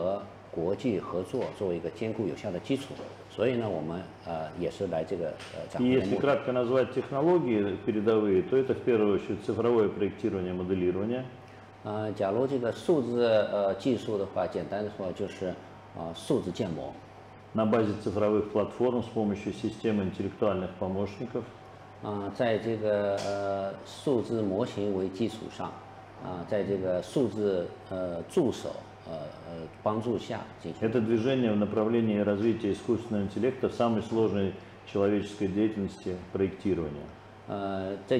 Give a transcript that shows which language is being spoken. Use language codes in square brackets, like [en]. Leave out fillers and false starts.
[zh] 目标呢，就是为了建立一个，就是我们一个有效的、坚固的一个基础，为我们中俄国际合作做一个坚固有效的基础。 [ru] И если кратко назвать технологии передовые, то это в первую очередь цифровое проектирование, моделирование. [zh] 假如这个数字技术的话，简单的说就是数字建模。 [ru] На базе цифровых платформ с помощью системы интеллектуальных помощников. [zh] 在这个数字模型为基础上，在这个数字助手。 [ru] Это движение в направлении развития искусственного интеллекта в самой сложной человеческой деятельности проектирования.